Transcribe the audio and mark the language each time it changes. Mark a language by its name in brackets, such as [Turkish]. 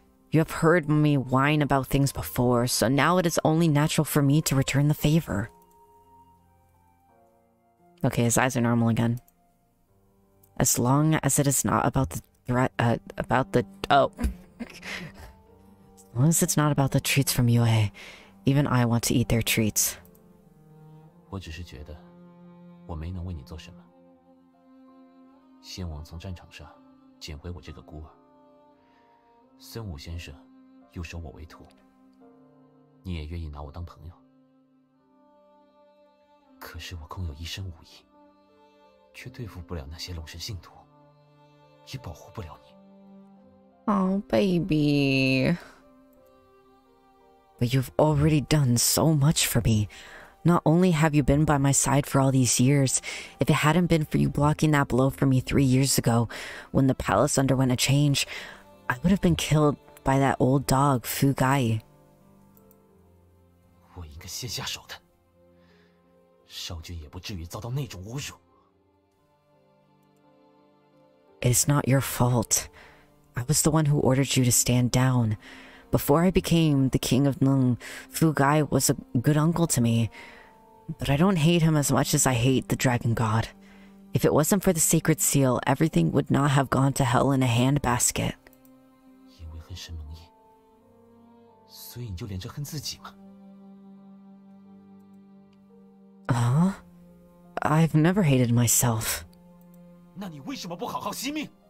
[English] You have heard me whine about things before, so now it is only natural for me to return the favor. Okay, his eyes are normal again. As long as it is not about the threat, As long as it's not about the treats from UA, even I want to eat their treats. [Chinese] 我只是觉得我没能为你做什么。先王从战场上捡回我这个孤儿。孙武先生又收我为徒。你也愿意拿我当朋友。可是我空有一身武艺，却对付不了那些龙神信徒，也保护不了你。 [English] Oh, baby... But you've already done so much for me. Not only have you been by my side for all these years, if it hadn't been for you blocking that blow for me 3 years ago, when the palace underwent a change, I would have been killed by that old dog, Fu Gai. [Chinese] 我应该先下手的。少君也不至于遭到那种侮辱。 [English] It's not your fault. I was the one who ordered you to stand down. Before I became the King of Nung, Fu Gai was a good uncle to me. But I don't hate him as much as I hate the Dragon God. If it wasn't for the Sacred Seal, everything would not have gone to hell in a handbasket. [Chinese] 因为很神蒙毅, 所以你就连着恨自己吗？ [English] 啊？I've never hated myself. [Chinese] 那你为什么不好好惜命？